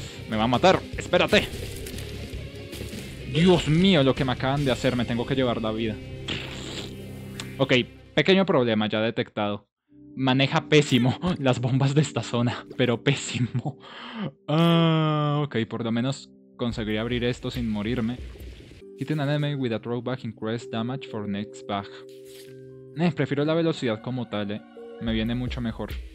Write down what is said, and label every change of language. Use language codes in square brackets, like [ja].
[es] Me va a matar, espérate. Dios mío, lo que me acaban de hacer, me tengo que llevar la vida. Ok, pequeño problema ya detectado. Maneja pésimo las bombas de esta zona, pero pésimo. Ok, por lo menos conseguiré abrir esto sin morirme. [en] Hitting an enemy with a throwback increase damage for next bag. [es] Prefiero la velocidad como tal, Me viene mucho mejor.